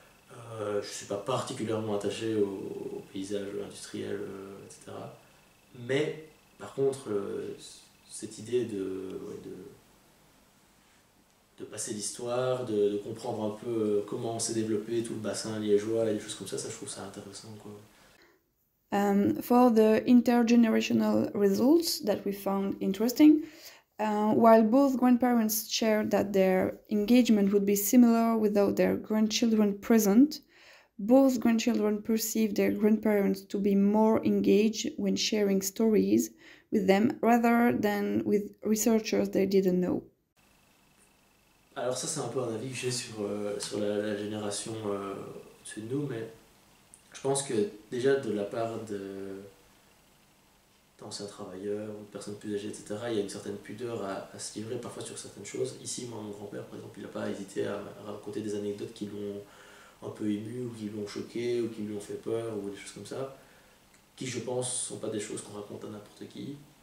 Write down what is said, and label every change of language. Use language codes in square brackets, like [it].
[fr] Je suis pas particulièrement attaché au paysage industriel, etc. Mais, par contre, cette idée de passer l'histoire, de comprendre un peu comment s'est développé tout le bassin liégeois et des choses comme ça, ça je trouve ça intéressant, quoi. [en] For the intergenerational results that we found interesting, while both grandparents shared that their engagement would be similar without their grandchildren present, both grandchildren perceived their grandparents to be more engaged when sharing stories with them rather than with researchers they didn't know. [fr] Alors ça c'est un peu un avis que j'ai sur la génération au-dessus de nous, mais... Je pense que déjà de la part d'anciens travailleurs, de personnes plus âgées, etc., il y a une certaine pudeur à se livrer parfois sur certaines choses. Ici, moi, mon grand-père, par exemple, il n'a pas hésité à raconter des anecdotes qui l'ont un peu ému, ou qui l'ont choqué, ou qui lui ont fait peur, ou des choses comme ça, qui, je pense, ne sont pas des choses qu'on raconte à n'importe qui.